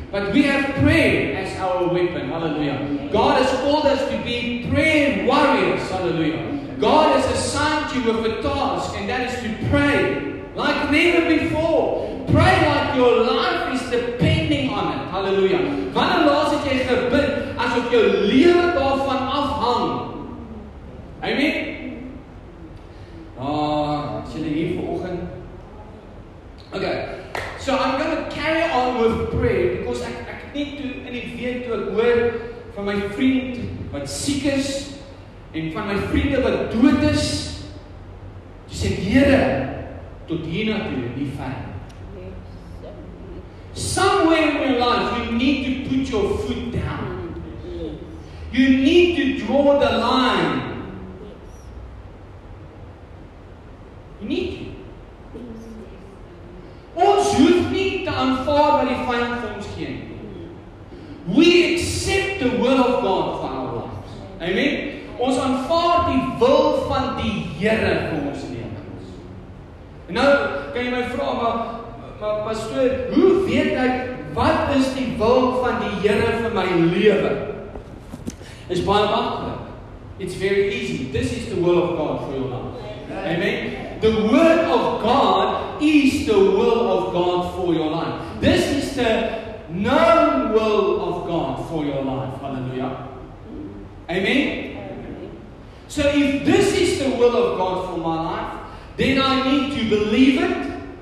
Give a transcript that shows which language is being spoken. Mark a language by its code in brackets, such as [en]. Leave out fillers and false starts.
[en] But we have prayer as our weapon. Hallelujah. God has called us to be prayer warriors. Hallelujah. God has assigned you with a task, and that is to pray like never before. Pray like your life is depending on it. Hallelujah. [af] Wanneer laas het jy gebid asof jou lewe daarvan afhang? Amen. Is julle hier vanoggend? Okay. [en] So I'm going to carry on with prayer because [af] ek need to in die week toe ek hoor van my vriend wat siek is en van my vriende wat dood is. Dis sê Here tot hiernatoe nie ver. [en] Somewhere in your life, you need to put your foot down. You need to draw the line. You need to. [af] Ons hoef nie te aanvaar wat die vyand vir ons gee. [en] We accept the will of God for our lives. Amen. [af] Ons aanvaar die wil van die Here vir ons lewens. Nou, kan jy my vra, maar pastoor, hoe weet ek wat is die wil van die Here vir my lewe? Is baie maklik. [en] It's very easy. This is the will of God for your life. Amen. The word of God is the will of God for your life. This is the known will of God for your life. Hallelujah. Amen. So if this is the will of God for my life, then I need to believe it.